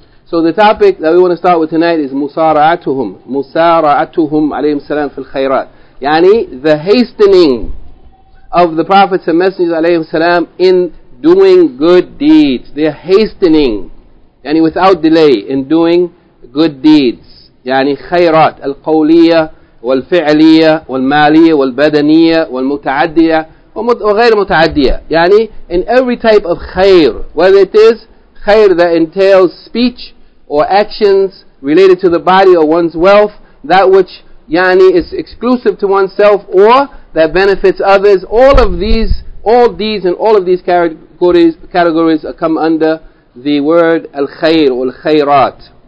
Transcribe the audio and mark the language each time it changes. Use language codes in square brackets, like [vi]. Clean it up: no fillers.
[en] So the topic that we want to start with tonight is Musara'atuhum. [ar] Musara'atuhum alayhim salam fil khayrat. [en] Yani, the hastening of the prophets and messengers alayhim salam in doing good deeds. They are hastening, yani, without delay, in doing good deeds. [ar] يعني خيرات القولية والفعلية والمالية والبدنية والمتعدية وغير متعدية. [en] يعني in every type of خير, whether it is خير that entails speech or actions related to the body or one's wealth, that which يعني is exclusive to oneself or that benefits others, all of these, all these and all of these categories come under the word [ar] الخير والخيرات.